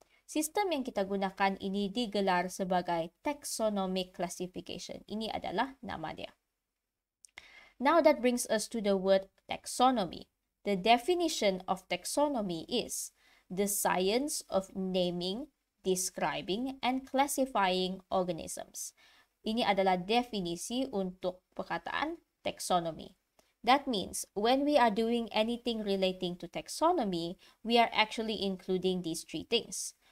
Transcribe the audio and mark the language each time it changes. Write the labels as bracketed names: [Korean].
[Malay] Sistem yang kita gunakan ini digelar sebagai taxonomic classification. Ini adalah nama dia. [English] Now that brings us to the word taxonomy. The definition of taxonomy is the science of naming, describing, and classifying organisms. [Malay] Ini adalah definisi untuk perkataan taxonomy. [English] That means when we are doing anything relating to taxonomy, we are actually including these three things.